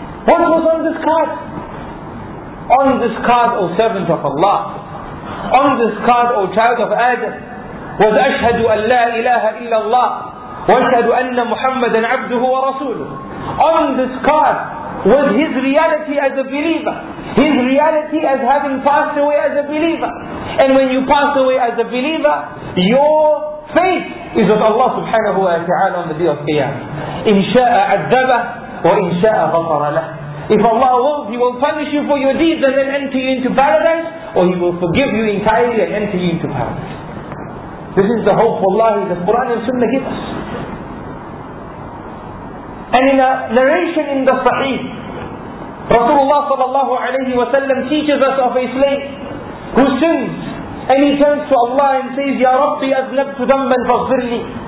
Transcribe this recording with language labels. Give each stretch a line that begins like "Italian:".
English: What was on this card? On this card, O servant of Allah, on this card, O child of Adam, was
Arabic: أشهد أن لا إله إلا الله وأشهد أن محمدا عبده ورسوله.
English: On this card was his reality as a believer, his reality as having passed away as a believer. And when you pass away as a believer, your faith is with Allah subhanahu wa ta'ala on the day of Qiyamah.
Arabic: إن شاء عذبه وإن شاء غفر له.
English: If Allah wills, He will punish you for your deeds and then enter you into paradise, or He will forgive you entirely and enter you into paradise. This is the hope for Allah that Quran and Sunnah give us. And in a narration in the Sahih, Rasulullah sallallahu alayhi wa sallam teaches us of a slave who sins, and he turns to Allah and says,
Arabic: Ya Rabbi aznabtu dhanban faghfirli.